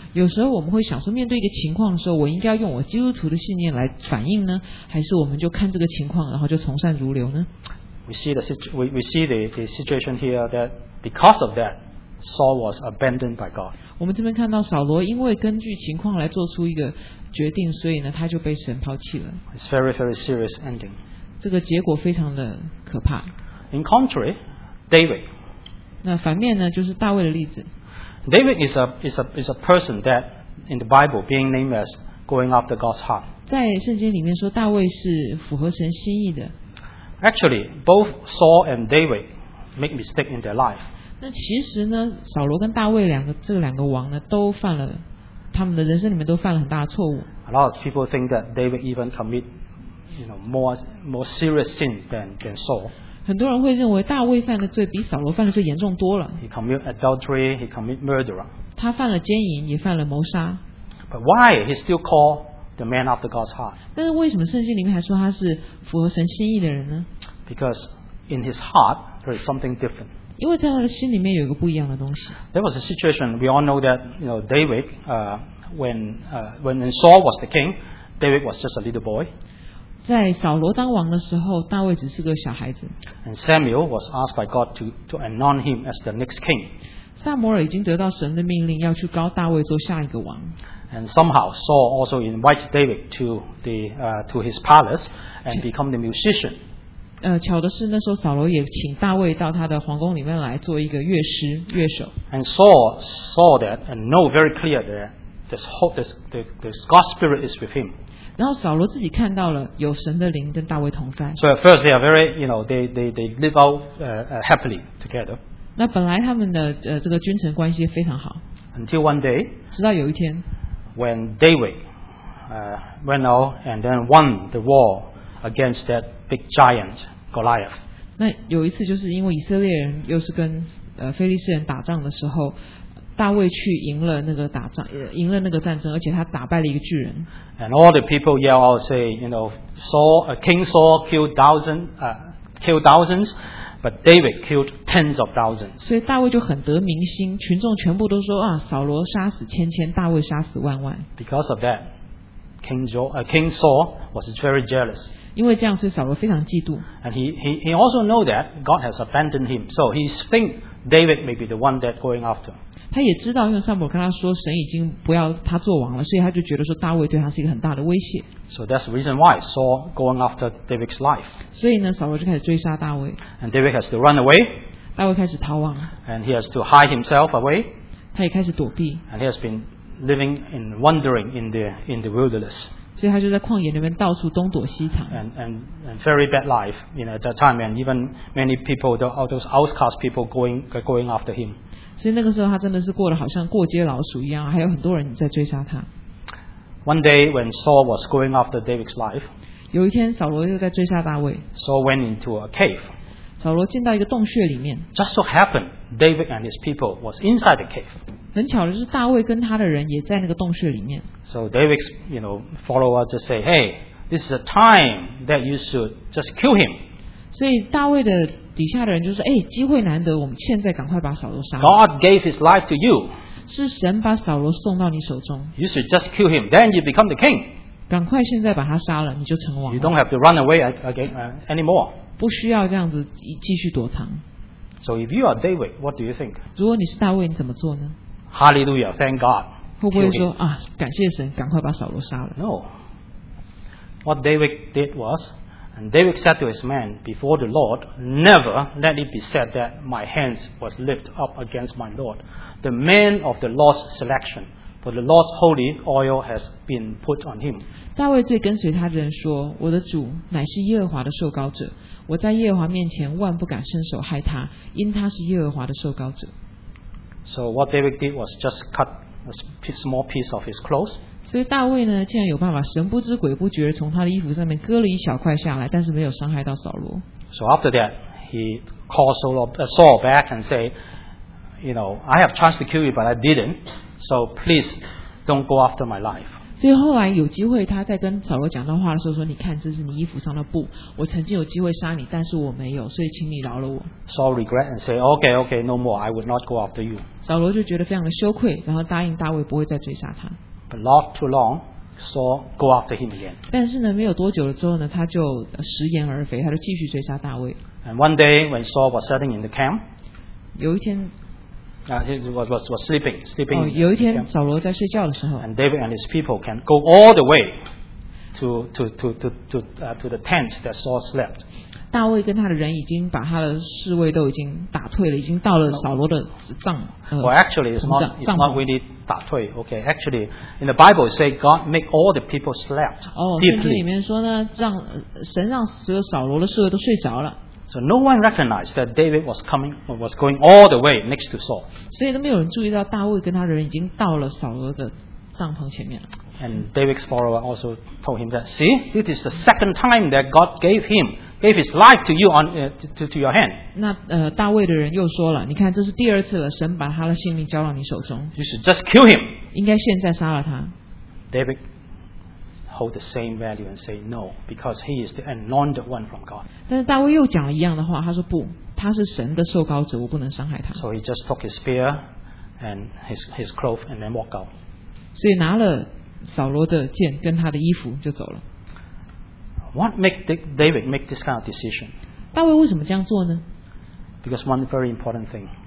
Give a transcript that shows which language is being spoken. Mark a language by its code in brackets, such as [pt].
[zh] 有时候我们会想说，面对一个情况的时候，我应该用我基督徒的信念来反应呢，还是我们就看这个情况，然后就从善如流呢？ [en] We see the situation here that because of that, Saul was abandoned by God. [zh] 我们这边看到扫罗因为根据情况来做出一个决定，所以呢他就被神抛弃了。 [en] It's very very serious ending. [zh] 这个结果非常的可怕。 [en] In contrary, David. [zh] 那反面呢就是大卫的例子。 [en] David is a person that in the Bible being named as going after God's heart. [zh] 在圣经里面说大卫是符合神心意的。 [en] Actually, both Saul and David make mistakes in their life. [zh] 那其实呢，扫罗跟大卫两个这两个王呢，都犯了他们的人生里面都犯了很大的错误。 [en] A lot of people think that David even commit, you know, more serious sin than Saul. [zh] 很多人会认为大卫犯的罪比扫罗犯的罪严重多了。 [en] He commit adultery. He commit murder. [zh] 他犯了奸淫，也犯了谋杀。 [en] But why he still call? The man after God's heart. [zh] 但是为什么圣经里面还说他是符合神心意的人呢？ [en] Because in his heart there is something different. [zh] 因为在他的心里面有一个不一样的东西。 [en] There was a situation we all know that you know David, when Saul was the king, David was just a little boy. [zh] 在扫罗当王的时候，大卫只是个小孩子。 [en] And Samuel was asked by God to anoint him as the next king. [zh] 撒母耳已经得到神的命令，要去高大卫做下一个王。 [en] And somehow Saul also invited David to his palace and become the musician. [zh] 巧的是那时候扫罗也请大卫到他的皇宫里面来做一个乐师乐手。 [en] And Saul saw that and know very clear that this God's spirit is with him. [zh] 然后扫罗自己看到了有神的灵跟大卫同在。 [en] So at first they are very, you know, they live out happily together. [zh] 那本来他们的这个君臣关系非常好。 [en] Until one day. [zh] 直到有一天。 [en] When David went out and then won the war against that big giant Goliath. [zh] 那有一次就是因为以色列人又是跟非利士人打仗的时候，大卫去赢了那个打仗，赢了那个战争，而且他打败了一个巨人。 [en] And all the people yell out, say, you know, Saul, King Saul killed thousands, but David killed tens of thousands. [zh] 所以大卫就很得民心，群众全部都说啊，扫罗杀死千千，大卫杀死万万。 [en] Because of that, King Saul was very jealous. [zh] 因为这样，所以扫罗非常嫉妒。 [en] And he also know that God has abandoned him, so he think David may be the one that going after. [zh] 他也知道，因为撒母耳跟他说神已经不要他做王了，所以他就觉得说大卫对他是一个很大的威胁。 [en] So that's the reason why Saul going after David's life. [zh] 所以呢，扫罗就开始追杀大卫。 [en] And David has to run away. [zh] 大卫开始逃亡。 [en] And he has to hide himself away. [zh] 他也开始躲避。 [en] And he has been living and wandering in the wilderness. [zh] 所以他就在旷野里面到处东躲西藏。 [en] And very bad life, you know, at that time, and even many people, those outcast people going after him. [zh] 所以那个时候他真的是过得好像过街老鼠一样，还有很多人在追杀他。 [en] One day when Saul was going after David's life, [zh] 有一天扫罗又在追杀大卫。 [en] Saul went into a cave. [zh] 扫罗进到一个洞穴里面。 [en] Just so happened, David and his people was inside the cave. [zh] 很巧的是，大卫跟他的人也在那个洞穴里面。 [en] So David's, you know, followers just say, "Hey, this is a time that you should just kill him." [zh] 所以大卫的底下的人就说：“哎，机会难得，我们现在赶快把扫罗杀了。” [en] God gave his life to you. [zh] 是神把扫罗送到你手中。 [en] You should just kill him, then you become the king. [zh] 赶快现在把他杀了，你就成王了。 [en] You don't have to run away again anymore. [zh] 不需要这样子继续躲藏。 [en] So if you are David, what do you think? [zh] 如果你是大卫，你怎么做呢 [en] ？Hallelujah, thank God. [zh] 会不会说啊，感谢神，赶快把扫罗杀了 [en] ？No. What David did was. And David said to his men, "Before the Lord, never let it be said that my hands was lifted up against my Lord, the man of the Lord's selection, for the Lord's holy oil has been put on him." [zh] 大卫对跟随他的人说：“我的主乃是耶和华的受膏者，我在耶和华面前万不敢伸手害他，因他是耶和华的受膏者。” [en] So what David did was just cut a small piece of his clothes. [zh] 所以大卫呢，竟然有办法神不知鬼不觉从他的衣服上面割了一小块下来，但是没有伤害到扫罗。 [en] So after that, he called Saul back and say, "You know, I have chance to kill you, but I didn't. So please, don't go after my life." [zh] 所以后来有机会，他在跟扫罗讲到话的时候说：“你看，这是你衣服上的布，我曾经有机会杀你，但是我没有，所以请你饶了我。” [en] Saul regret and say, "Okay, no more. I will not go after you." [zh] 扫罗就觉得非常的羞愧，然后答应大卫不会再追杀他。 [en] But not too long, Saul go after him again. [zh] 但是呢，没有多久了之后呢，他就食言而肥，他就继续追杀大卫。 [en] And one day when Saul was sitting in the camp, [zh] 有一天 [en] he was sleeping. [zh] 有一天扫罗在睡觉的时候。 [en] And David and his people can go all the way to the tent that Saul slept. [zh] 大卫跟他的人已经把他的侍卫都已经打退了，已经到了扫罗的帐。 [en] Well, actually, it's not really. [zh] 打退 [en] okay. Actually, in the Bible, say God make all the people slept deeply. [zh] 圣经里面说呢，让神让所有扫罗的侍卫都睡着了。 [en] So no one recognized that David was coming, was going all the way next to Saul. [zh] 所以都没有人注意到大卫跟他的人已经到了扫罗的帐篷前面了。 [en] And David's follower also told him that, see, this is the second time that God gave him. Gave his life to you on to your hand. [zh] 那大卫的人又说了，你看这是第二次了，神把他的性命交到你手中。 [en] You should just kill him. [zh] 应该现在杀了他。 [en] David hold the same value and say no, because he is the anointed one from God. [zh] 但是大卫又讲了一样的话，他说不，他是神的受膏者，我不能伤害他。 [en] So he just took his spear and his clothes and then walked out. [zh] 所以拿了扫罗的剑跟他的衣服就走了。 [en] What make David make this kind of decision? [zh] 大卫为什么这样做呢？ [en] Because one very important thing.